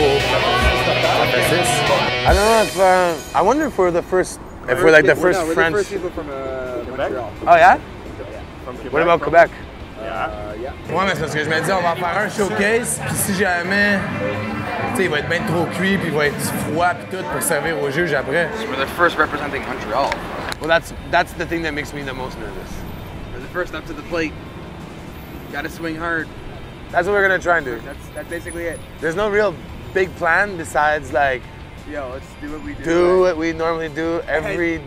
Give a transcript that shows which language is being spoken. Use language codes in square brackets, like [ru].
[en] I don't know if I wonder if we're the first, if we're like the first French. We're the first people from Quebec. Montreal. Oh yeah? From Quebec. What about Quebec? Yeah. [fr] Ouais, mais c'est ce que je me dis, on va faire un showcase, puis si jamais, tu sais, il va être bien trop cuit, puis il va être froid, puis tout, pour servir aux juges après. [en] So we're the first representing Montreal. Well, that's the thing that makes me the most nervous. We're the first up to the plate. Gotta swing hard. That's what we're gonna try and do. That's basically it. There's no real big plan besides like, yo, let's do what we do. Do right? What we normally do every day.